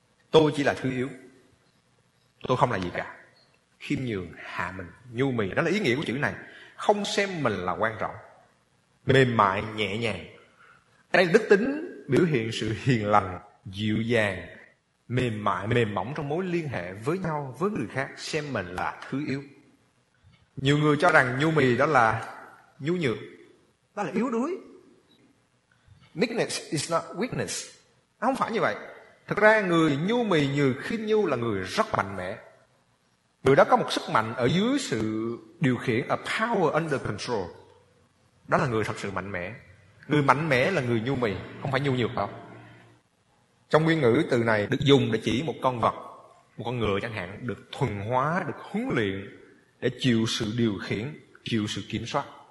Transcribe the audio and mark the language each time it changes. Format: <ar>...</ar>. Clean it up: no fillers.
<vi>Tôi chỉ là thứ yếu, tôi không là gì cả. Khiêm nhường, hạ mình, nhu mì, đó là ý nghĩa của chữ này. Không xem mình là quan trọng, mềm mại, nhẹ nhàng, Đây là đức tính biểu hiện sự hiền lành, dịu dàng, mềm mại, mềm mỏng trong mối liên hệ với nhau, với người khác, xem mình là thứ yếu. Nhiều người cho rằng nhu mì đó là nhu nhược, đó là yếu đuối.</vi> <en>Meekness is not weakness.</en> <vi>Không phải như vậy. Thực ra người nhu mì, người khiêm nhu là người rất mạnh mẽ. Người đó có một sức mạnh ở dưới sự điều khiển,</vi> <en>a power under control.</en> <vi>Đó là người thật sự mạnh mẽ. Người mạnh mẽ là người nhu mì, không phải nhu nhược đâu. Trong nguyên ngữ, từ này được dùng để chỉ một con vật, một con ngựa chẳng hạn, được thuần hóa, được huấn luyện để chịu sự điều khiển, chịu sự kiểm soát.</vi>